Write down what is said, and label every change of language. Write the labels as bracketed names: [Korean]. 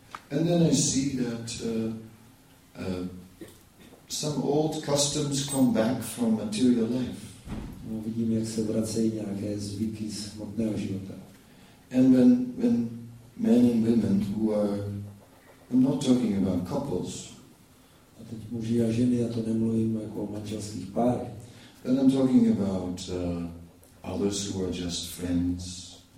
[English] And then I see that some old customs come back from material life. [Czech] No, vidím, jak se vracejí nějaké zvyky z hmotného života. [English] And when men and women who are, I'm not talking about couples. [Czech] A teď muži a ženy, já to nemluvím jako o manželských párech. [English] Then I'm talking about others who are just friends.